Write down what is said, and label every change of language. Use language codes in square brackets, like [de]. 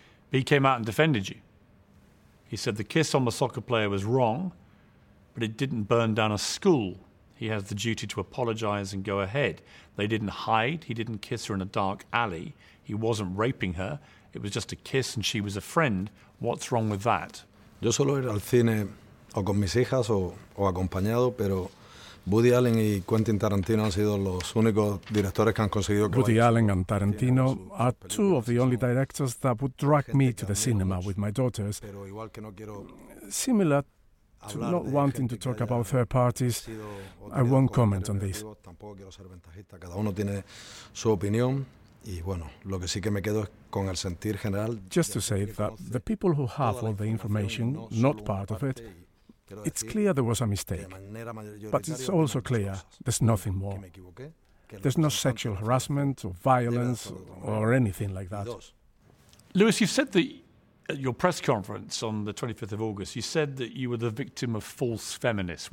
[en] But he came out and defended you. He said the kiss on the soccer player was wrong, but it didn't burn down a school. He has the duty to apologise and go ahead. They didn't hide. He didn't kiss her in a dark alley. He wasn't raping her. It was just a kiss and she was a friend. What's wrong with that? [es] Yo solo era al cine o con mis hijas o acompañado, pero... Woody Allen y Quentin Tarantino han sido los únicos directores que han conseguido que [en] Woody Allen and Tarantino are two of the only directors that would drag me to the cinema with my daughters. Similar to not wanting to talk about third parties, I won't comment on this. [es] Tampoco quiero ser ventajista, cada uno tiene su opinión y bueno, lo que sí que me quedo es con el sentir general. [en] Just to say that the people who have all the information, not part of it. It's clear there was a mistake, but it's also clear there's nothing more. There's no sexual harassment or violence or anything like that. Lewis, you said that at your press conference on the 25th of August, you said that you were the victim of false feminists.